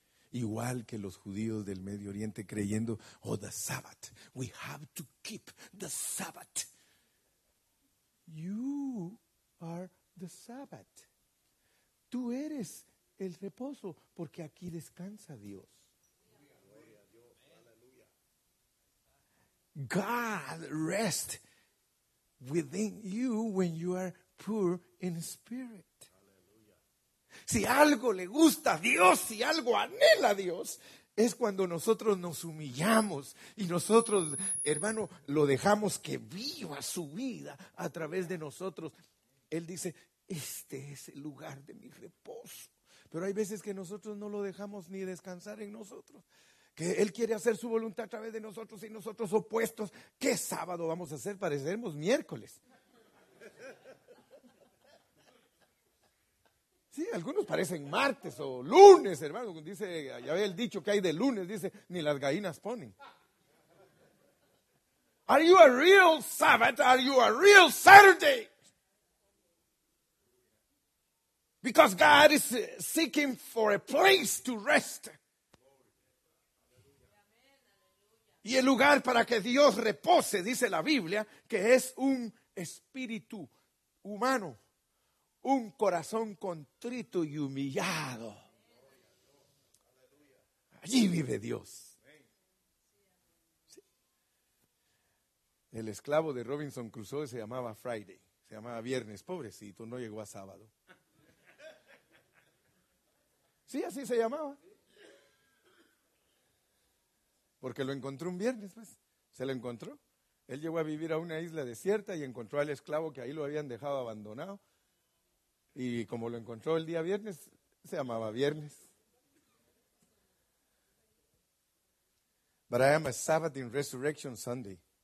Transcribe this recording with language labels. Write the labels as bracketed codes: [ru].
[es] Igual que los judíos del Medio Oriente creyendo, [en] oh, the Sabbath, we have to keep the Sabbath. You are the Sabbath. [es] Tú eres el reposo, porque aquí descansa Dios. [en] God rest within you when you are poor in spirit. [es] Si algo le gusta a Dios, si algo anhela a Dios, es cuando nosotros nos humillamos y nosotros, hermano, lo dejamos que viva su vida a través de nosotros. Él dice, este es el lugar de mi reposo. Pero hay veces que nosotros no lo dejamos ni descansar en nosotros. Que Él quiere hacer su voluntad a través de nosotros y nosotros opuestos. ¿Qué sábado vamos a hacer? Pareceremos miércoles. Sí, algunos parecen martes o lunes, hermano. Dice, ya ve el dicho que hay de lunes, dice, ni las gallinas ponen. [en] Are you a real Sabbath? Are you a real Saturday? Because God is seeking for a place to rest. [es] Y el lugar para que Dios repose, dice la Biblia, que es un espíritu humano, un corazón contrito y humillado. Allí vive Dios. ¿Sí? El esclavo de Robinson Crusoe se llamaba Friday, se llamaba Viernes, pobrecito, no llegó a sábado. Sí, así se llamaba. Porque lo encontró un viernes, pues. Se lo encontró. Él llegó a vivir a una isla desierta y encontró al esclavo que ahí lo habían dejado abandonado. Y como lo encontró el día viernes, se llamaba Viernes. [en] But I am a Sabbath in Resurrection Sunday.